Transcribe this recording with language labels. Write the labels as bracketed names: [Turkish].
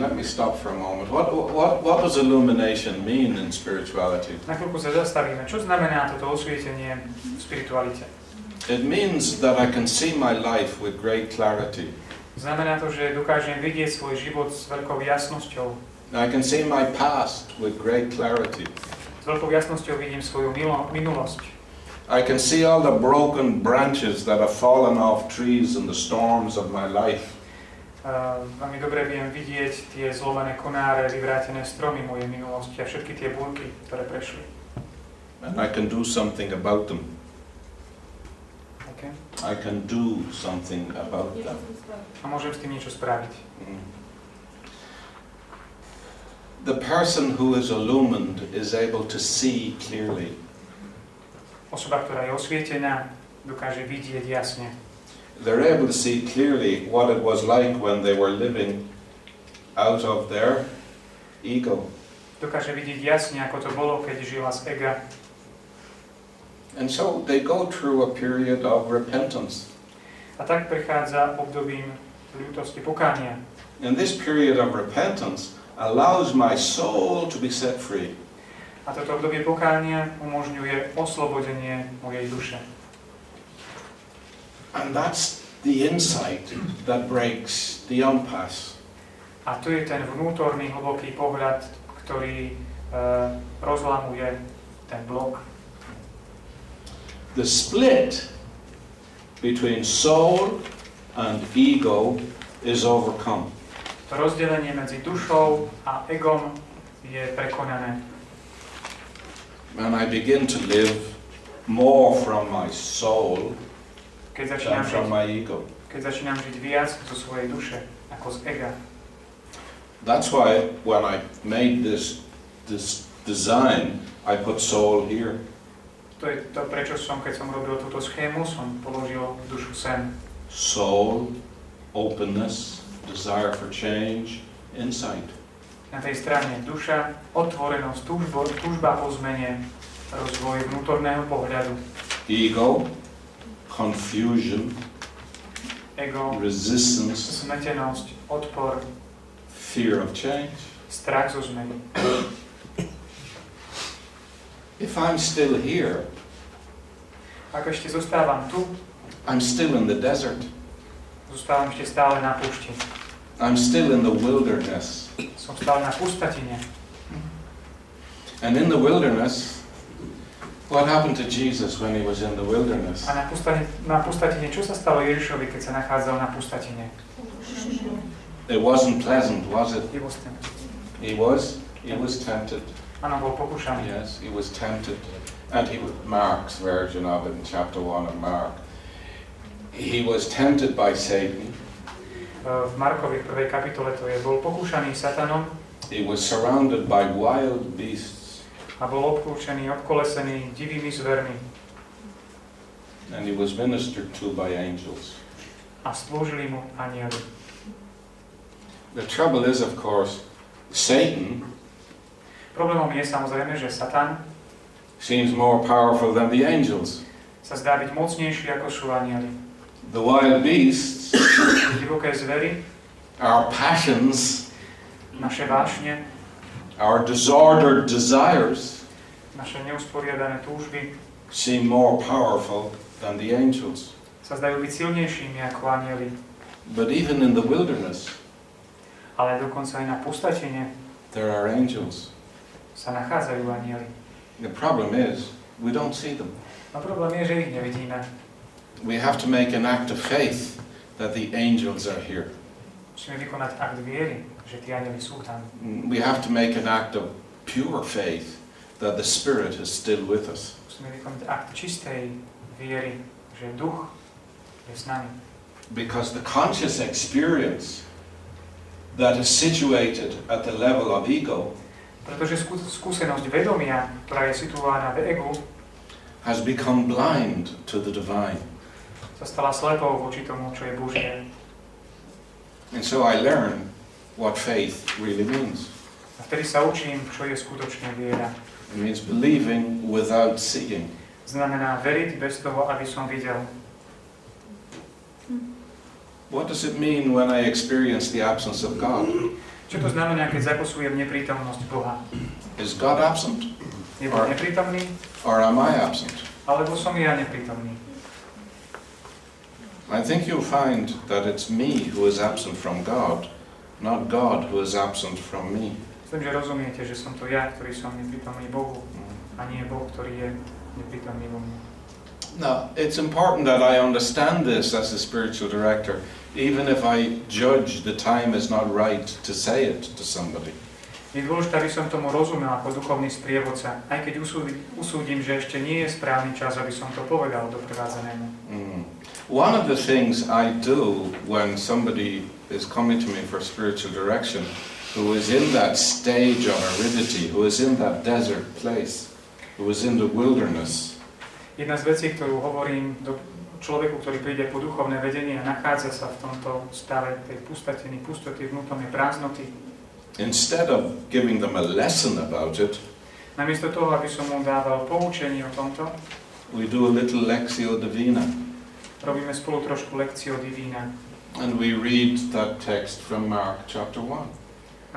[English] Let me stop for a moment. What does illumination mean in spirituality? [Slovak] Na chvíľku sa zastavíme. Čo znamená toto osvietenie v spiritualite? [English] It means that I can see my life with great clarity. [Slovak] Znamená to, že dokážem vidieť svoj život s veľkou jasnosťou. [English] And I can see my past with great clarity. [Slovak] S veľkou jasnosťou vidím svoju minulosť. [English] I can see all the broken branches that have fallen off trees in the storms of my life. [Slovak] Veľmi dobre viem vidieť tie zlomené konáre, vyvrátené stromy mojej minulosti a všetky tie búrky, ktoré prešli. [English] And I can do something about them. Okay. I can do something about them. [Slovak] A môžem s tým niečo spraviť. [English] The person who is illumined is able to see clearly. [Slovak] Osoba, ktorá je osvietená, dokáže vidieť jasne. [English] They're able to see clearly what it was like when they were living out of their ego. [Slovak] Dokáže vidieť jasne, ako to bolo, keď žila z ega. [English] And so they go through a period of repentance. [Slovak] A tak prechádza obdobím ľútosti, pokánia. [English] And this period of repentance allows my soul to be set free. [Slovak] A toto obdobie pokánia umožňuje oslobodenie mojej duše. [English] And that's the insight that breaks the impasse. [Slovak] A to je ten vnútorný hlboký pohľad, ktorý rozlamuje ten blok. [English] The split between soul and ego is overcome. [Slovak] To rozdelenie medzi dušou a egom je prekonané. [English] And I begin to live more from my soul than from my ego. [Slovak] Keď začínam žiť viac zo svojej duše ako z ega. [English] That's why when I made this design, I put soul here. [Slovak] To je to, prečo som, keď som robil túto schému, som položil dušu sem. [English] Soul, openness, desire for change, insight. [Slovak] Na tej strane duša, otvorenosť, túžba po zmene, rozvoj vnútorného pohľadu. [English] Ego, confusion, [Slovak] ego, [English] resistance, [Slovak] smetenosť, odpor, [English] fear of change, [Slovak] strach zo zmeny. [English] If I'm still here, [Slovak] ako ešte zostávam tu, [English] I'm still in the desert. [Slovak] Zostávam ešte stále na púšti. [English] I'm still in the wilderness. [Slovak] Som stále na pustatine. [English] And in the wilderness, what happened to Jesus when he was in the wilderness? [Slovak] A na pustatine, čo sa stalo Ježišovi, keď sa nachádzal na pustatine? [English] It wasn't pleasant, was it? He was tempted. He was tempted. [Slovak] Áno, bol pokúšaný. [English] Yes, he was tempted. And he was Mark's version of it in chapter 1 of Mark. He was tempted by Satan. [Slovak] V Markovej prvej kapitole to je, bol pokúšaný Satanom. [English] He was surrounded by wild beasts. [Slovak] A bol obklúčený, obkolesený divými zvermi. [English] And he was ministered to by angels. [Slovak] A slúžili mu anjeli. [English] The trouble is, of course, Satan. [Slovak] Problémom je samozrejme, že Satan [English] seems more powerful than the angels. [Slovak] Sa zdá byť mocnejší ako sú anjeli. [English] The wild beasts, [Slovak] divoké zvery, [English] our passions, [Slovak] naše vášne, [English] our disordered desires, [Slovak] naše neusporiadané túžby, [English] seem more powerful than the angels. [Slovak] Sa zdajú byť silnejšími ako anjeli. [English] But even in the wilderness, [Slovak] ale dokonca aj na pustatine, [English] there are angels. [Slovak] Sa nachádzajú anjeli. [English] The problem is, we don't see them. [Slovak] No problém je, že ich nevidíme. [English] We have to make an act of faith that the angels are here. [Slovak] Musíme vykonať akt viery, že tí anjeli sú tam. [English] We have to make an act of pure faith that the Spirit is still with us. [Slovak] Musíme vykonať akt čistej viery, že Duch je s nami. [English] Because the conscious experience that is situated at the level of ego, [Slovak] pretože skúsenosť vedomia, ktorá je situovaná v egu, [English] has become blind to the divine. [Slovak] Sa stala slepou voči tomu, čo je Božie. [English] And so I learn what faith really means. [Slovak] A vtedy sa učím, čo je skutočná viera. [English] It means believing without seeing. [Slovak] Znamená veriť bez toho, aby som videl. [English] What does it mean when I experience the absence of God? [Slovak] Čo to znamená, keď zakusujem neprítomnosť Boha? [English] Is God absent? [Slovak] Je Boh neprítomný? [English] Or am I absent? [Slovak] Alebo som ja neprítomný? [English] I think you'll find that it's me who is absent from God, not God who is absent from me. [Slovak] Myslím, že rozumiete, že som to ja, ktorý som nepritomný Bohu, a nie Boh, ktorý je nepritomný vo mne. [English] Now, it's important that I understand this as a spiritual director, even if I judge the time is not right to say it to somebody. [Slovak] Je dôležité, aby som tomu rozumel ako duchovný sprievodca, aj keď usúdim, že ešte nie je správny čas, aby som to povedal doprevádzanému. [English] One of the things I do when somebody is coming to me for spiritual direction, who is in that stage of aridity, who is in that desert place, who is in the wilderness. [Slovak] Jedna z vecí, ktorú hovorím do človeku, ktorý príde po duchovné vedenie a nachádza sa v tomto stave tej pustatiny, pustoty, vnútornej prázdnoty. [English] Instead of giving them a lesson about it, [Slovak] namiesto toho, aby som mu dával poučenie o tomto, [English] we do a little lectio divina. [Slovak] Robíme spolu trošku lectio divina. [English] And we read that text from Mark chapter 1.